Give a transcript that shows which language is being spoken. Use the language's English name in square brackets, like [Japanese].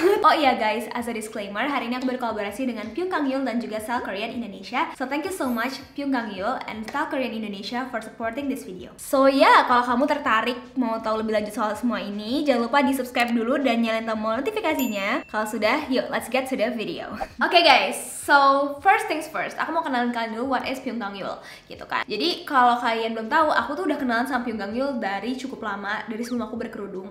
[Indonesian] Oh iya guys, [English] as a disclaimer, [Indonesian] hari ini aku berkolaborasi dengan Kyung Kang Yul dan juga Style Korean Indonesia. [English] So thank you so much Kyung Kang Yul and Style Korean Indonesia for supporting this video. [Indonesian] So ya, kalau kamu tertarik mau tahu lebih lanjut soal semua ini, jangan lupa di subscribe dulu dan nyalain tombol notifikasinya. Kalau sudah, yuk [English] let's get to the video. Okay guys, so first things first, [Indonesian] aku mau kenalin kalian dulu [English] what is Kyung Kang Yul [Indonesian] gitu kan. Jadi kalau kalian belum tahu, aku tuh udah kenalan sama Kyung Kang Yul dari cukup lama, dari sebelum aku berkerudung.